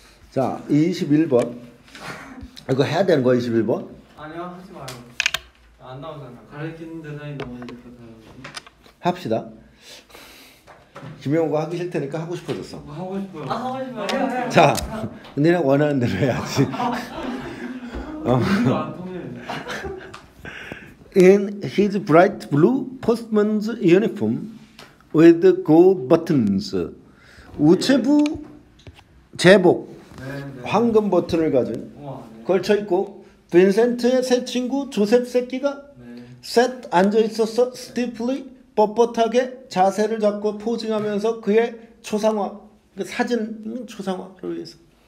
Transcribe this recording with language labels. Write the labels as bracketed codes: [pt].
[ko] 자, 21번. 이거 해야 되는 거야, 21번? 아니요, 하지 말아요. 안 나오잖아. 가르치는 대상이 너무 힘들어서. 합시다. 김영우가 하기 싫다니까 하고 싶어졌어. 뭐 하고 싶어요. 아, 하고 싶어요. 자, 니네 원하는 대로 해야지. 안 통해. [en] In his bright blue postman's uniform with gold buttons. [ko] 우체부 제복. 황금 버튼을 가진. 걸쳐있고 빈센트의 새 친구 조셉 새끼가 셋 앉아있었어. [en] Stiffly. [ko] 뻣뻣하게 자세를 잡고 포징하면서 그의 초상화, 사진 초상화를 위해서.